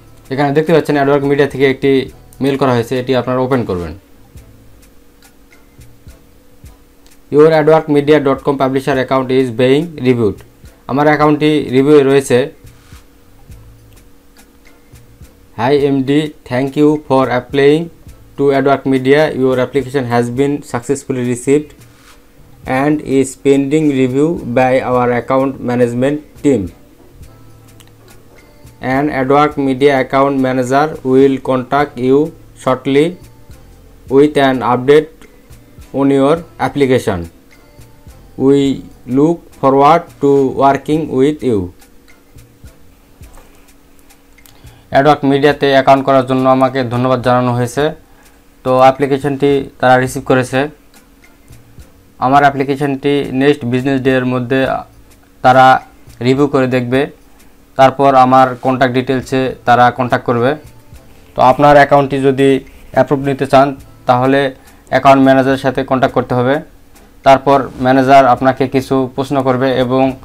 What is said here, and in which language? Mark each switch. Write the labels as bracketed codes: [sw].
[bn] এখানে দেখতে পাচ্ছেন অ্যাডওয়ার্ক মিডিয়া থেকে একটি মেল করা হয়েছে এটি আপনারা ওপেন করবেন [en] your AdWork Media dot com publisher account is being reviewed [bn] আমার অ্যাকাউন্টটি রিভিউ রয়েছে [en] Hi MD, thank you for applying to AdworkMedia. Your application has been successfully received and is pending review by our account management team. An AdworkMedia account manager will contact you shortly with an update on your application. We look forward to working with you. [bn] AdworkMedia তে account করার জন্য আমাকে ধন্যবাদ জানানো হয়েছে তো অ্যাপ্লিকেশনটি তারা রিসিভ করেছে আমার অ্যাপ্লিকেশনটি নেক্সট বিজনেস ডে এর মধ্যে তারা রিভিউ করে দেখবে তারপর আমার কন্টাক্ট ডিটেইলসে তারা কন্টাক্ট করবে তো আপনার অ্যাকাউন্টটি যদি অ্যাপ্রুভ নিতে চান তাহলে অ্যাকাউন্ট ম্যানেজারের সাথে কন্টাক্ট করতে হবে তারপর ম্যানেজার আপনাকে কিছু প্রশ্ন করবে এবং